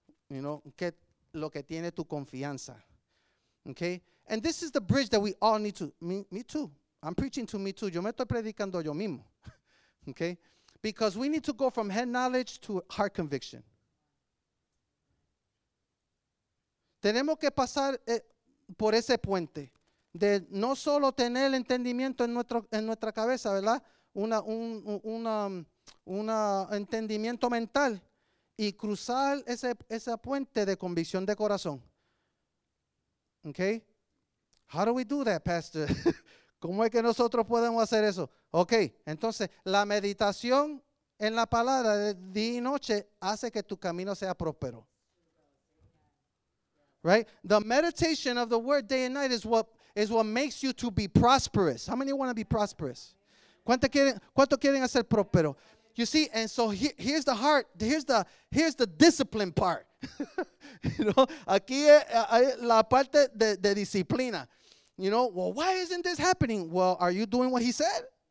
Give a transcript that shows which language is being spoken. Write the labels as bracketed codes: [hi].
[en] You know, [es] que lo que tiene tu confianza. [en] Okay? And this is the bridge that we all need to, me too. I'm preaching to me too. [es] Yo me estoy predicando yo mismo. [en] Okay? Because we need to go from head knowledge to heart conviction. [es] Tenemos que pasar por ese puente de no solo tener entendimiento en nuestra cabeza, ¿verdad? Una entendimiento mental y cruzar ese puente de convicción de corazón. Okay? [en] How do we do that, Pastor? [es] ¿Cómo es que nosotros podemos hacer eso? Okay, entonces, la meditación en la palabra de día y noche hace que tu camino sea próspero. [en] Right? The meditation of the word day and night is what makes you to be prosperous. How many want to be prosperous? [es] ¿Cuánto quieren hacer próspero? [en] You see, and so here's the heart, here's the discipline part. You know, [es] aquí es la parte de disciplina. [en] You know, well, why isn't this happening? Well, are you doing what he said?